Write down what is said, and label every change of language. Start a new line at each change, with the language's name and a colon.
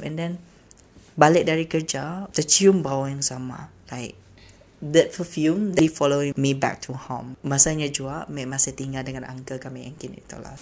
English: And then
Malay: balik dari kerja, tercium bau yang sama.
English: Like, that perfume, they following me back to home.
Malay: Masanya juga, Mek masih tinggal dengan uncle kami yang kini tu lah.